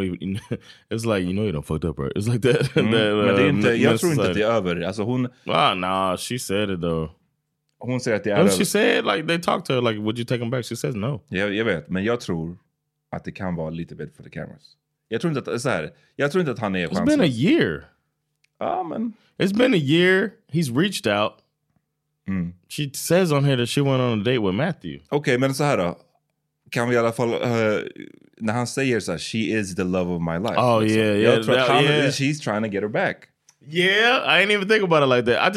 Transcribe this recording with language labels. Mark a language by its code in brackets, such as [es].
[en] It's like, you know you don't fucked up, right? It's like that. [sv] Men det är inte, jag tror inte att det är över. Alltså hon... [en] Ah, nah, she said it though. [sv] Hon säger att det är över. [en] She said, like, they talked to her, like, would you take him back? She says no. [sv] Jag vet, men jag tror att det kan vara lite bit [en] for the cameras. [sv] Jag tror inte att, så här, jag tror inte att han är chansen. [en] It's been a year. Ah, man. It's been a year. He's reached out. Mm. She says on here that she went on a date with Matthew. [sv] Okej, men så här då. Kan vi i alla fall, när han säger så här, [en] she is the love of my life. Oh, yeah, [sv] så, [en] yeah. [sv] Jag tror [en] that, yeah. She's trying to get her back. Yeah, I ain't even think about it like that.